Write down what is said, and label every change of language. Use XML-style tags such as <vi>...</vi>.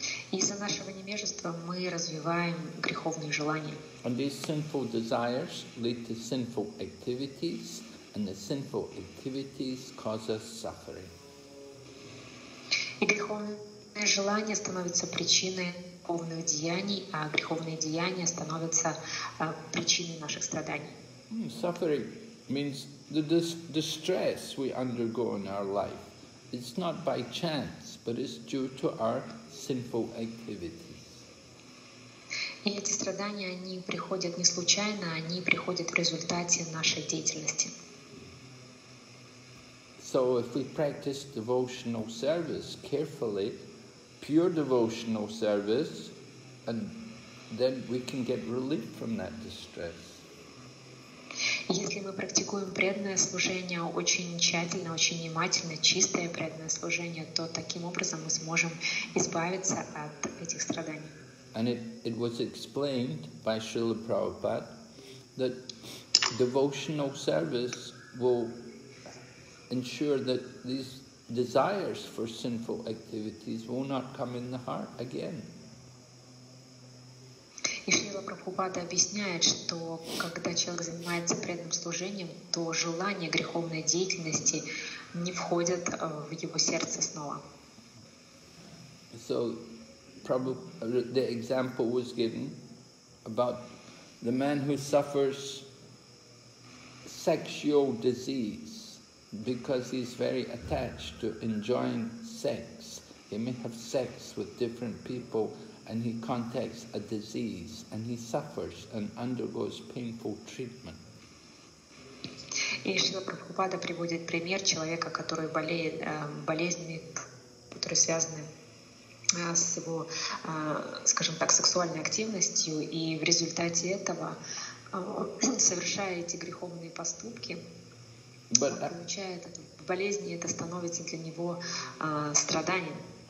<ru>Из-за нашего невежества мы развиваем греховные желания.</ru> <en>And these sinful desires lead to sinful activities, and the sinful activities cause us suffering.</en> <ru>И греховные желания становятся причиной греховных деяний, а греховные деяния становятся причиной наших страданий.</ru> <en>Suffering means the distress we undergo in our life. It's not by chance, but it's due to our sinful activities.</en> <ru>И эти страдания, они приходят не случайно, они приходят в результате нашей деятельности.</ru> <en>So if we practice devotional service carefully, pure devotional service, and then we can get relief from that distress.</en> <ru>Если мы практикуем преданное служение очень тщательно, очень внимательно, чистое преданное служение, то таким образом мы сможем избавиться от этих страданий.</ru> <en>And it was explained by Srila Prabhupada that devotional service will ensure that these desires for sinful activities will not come in the heart again.</en> <ru>И Шрила Прабхупада объясняет, что когда человек занимается преданным служением, то желания греховной деятельности не входят в его сердце снова.</ru> <en>So, probably the example was given about the man who suffers sexual disease because he's very attached to enjoying sex. He may have sex with different people and he contacts a disease and he suffers and undergoes painful treatment.</en> <ru>И Шрила Прабхупада приводит пример человека, который болеет болезнями, которые связаны с его, скажем так, сексуальной активностью, и в результате этого совершая эти греховные поступки, получает болезни, это становится для него страданием.</ru>